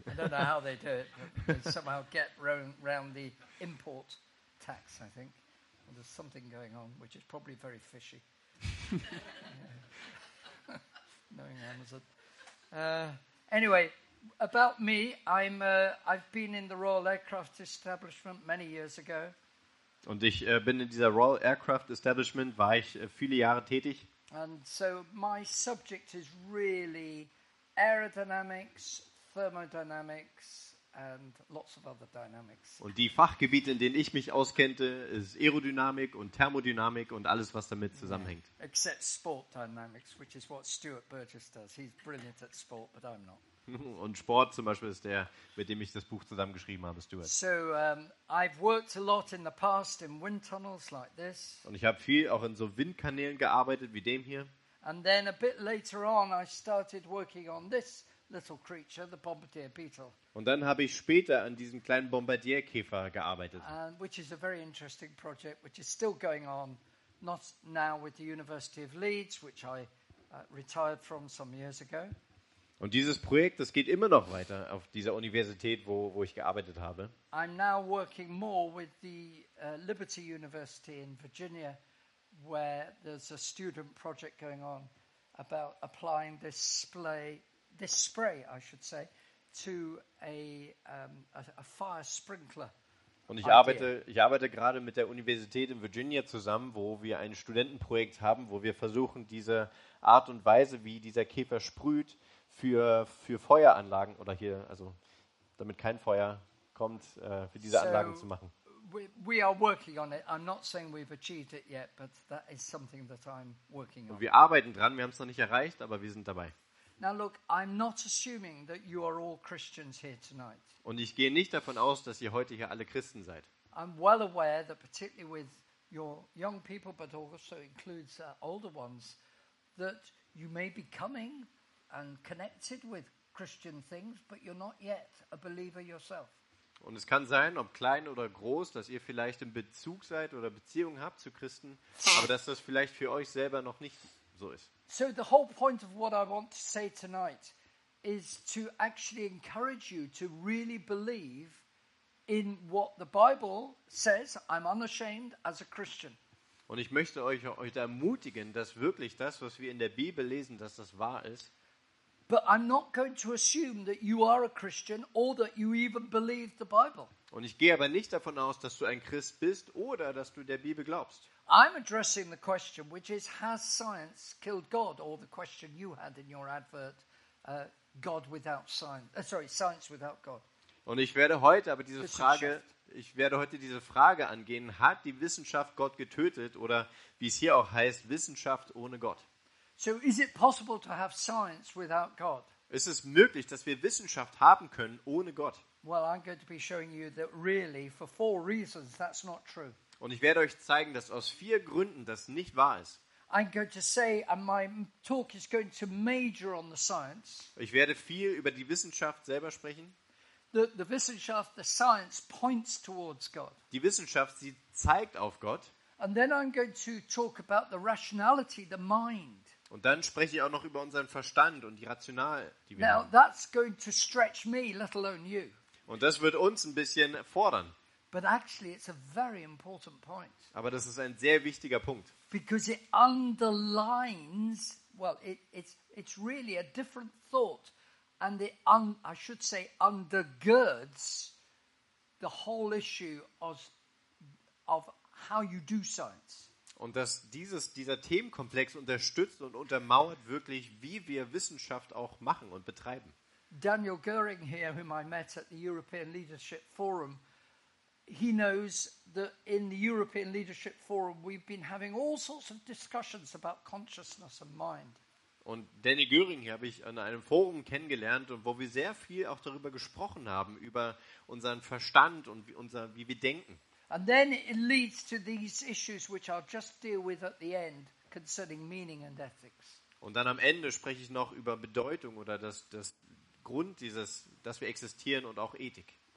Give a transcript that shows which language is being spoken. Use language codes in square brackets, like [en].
[en] I don't know how they do it, but they somehow get round the import tax, I think. Well, there's something going on, which is probably very fishy. Knowing Amazon. Anyway, about me, I've been in the Royal Aircraft Establishment many years ago. [de] Und ich bin in dieser Royal Aircraft Establishment, war ich viele Jahre tätig. [en] And so my subject is really aerodynamics, thermodynamics, and lots of other dynamics. [de] Und die Fachgebiete, in denen ich mich auskennte, ist Aerodynamik und Thermodynamik und alles, was damit zusammenhängt. [en] Yeah. Except sport dynamics, which is what Stuart Burgess does. He's brilliant at sport, but I'm not. [de] Und Sport zum Beispiel ist der, mit dem ich das Buch zusammengeschrieben habe, Stuart. [en] So, I've worked a lot in the past in wind tunnels like this. [de] Und ich habe viel auch in so Windkanälen gearbeitet wie dem hier. [en] And then a bit later on, I started working on this little creature, the bombardier beetle. [de] Und dann habe ich später an diesem kleinen Bombardierkäfer gearbeitet. [en] Which is a very interesting project, which is still going on, not now with the University of Leeds, which I retired from some years ago. [de] Und dieses Projekt, das geht immer noch weiter auf dieser Universität, wo ich gearbeitet habe. [en] I'm now working more with the Liberty University in Virginia, where there's a student project going on about applying this spray, I should say, to a fire sprinkler. [de] Und ich arbeite gerade mit der Universität in Virginia zusammen, wo wir ein Studentenprojekt haben, wo wir versuchen, diese Art und Weise, wie dieser Käfer sprüht, für Feueranlagen oder hier, also damit kein Feuer kommt, für diese Anlagen zu machen. [en] We are working on it. I'm not saying we've achieved it yet, but that is something that I'm working on. [de] Und wir arbeiten dran, wir haben es noch nicht erreicht, aber wir sind dabei. [en] Now look, I'm not assuming that you are all Christians here tonight. [de] Und ich gehe nicht davon aus, dass ihr heute hier alle Christen seid. [en] I'm well aware that particularly with your young people, but also includes older ones, that you may be coming and connected with Christian things, but you're not yet a believer yourself. [de] Und es kann sein, ob klein oder groß, dass ihr vielleicht in Bezug seid oder Beziehung habt zu Christen, aber dass das vielleicht für euch selber noch nicht so ist. [en] So the whole point of what I want to say tonight is to actually encourage you to really believe in what the Bible says, I'm unashamed, as a Christian. [de] Und ich möchte euch ermutigen, dass wirklich das, was wir in der Bibel lesen, dass das wahr ist. [en] But I'm not going to assume that you are a Christian or that you even believe the Bible. [de] Und ich gehe aber nicht davon aus, dass du ein Christ bist oder dass du der Bibel glaubst. [en] I'm addressing the question which is, has science killed God? Or the question you had in your advert, God without science. Science without God. [de] Und ich werde heute diese Frage angehen, hat die Wissenschaft Gott getötet oder wie es hier auch heißt, Wissenschaft ohne Gott? [en] So is it possible to have science without God? [de] Ist es möglich, dass wir Wissenschaft haben können ohne Gott? [en] Well, I'm going to be showing you that really for four reasons that's not true. [de] Und ich werde euch zeigen, dass aus vier Gründen das nicht wahr ist. [en] I'm going to say, and my talk is going to major on the science. [de] Ich werde viel über die Wissenschaft selber sprechen. [en] The Wissenschaft, the science points towards God. [de] Die Wissenschaft, sie zeigt auf Gott. [en] And then I'm going to talk about the rationality, the mind. [de] Und dann spreche ich auch noch über unseren Verstand und die Rational, die wir [en] Now, [de] haben. [en] That's going to stretch me, let alone you. [de] Und das wird uns ein bisschen fordern. [en] But actually, it's a very important point. [de] Aber das ist ein sehr wichtiger Punkt. [en] Because it underlines, well, it's really a different thought, and I should say undergirds the whole issue of how you do science. [de] Und dass dieser Themenkomplex unterstützt und untermauert wirklich, wie wir Wissenschaft auch machen und betreiben. [en] Daniel Göring here, whom I met at the European Leadership Forum, he knows that in the European Leadership Forum we've been having all sorts of discussions about consciousness and mind. [de] Und Daniel Göring hier habe ich an einem Forum kennengelernt und wo wir sehr viel auch darüber gesprochen haben, über unseren Verstand und wie wir denken. [en] And then it leads to these issues which I'll just deal with at the end concerning meaning and ethics. [de] Und dann am Ende spreche ich noch über Bedeutung oder das Grund dieses, dass wir existieren und auch Ethik.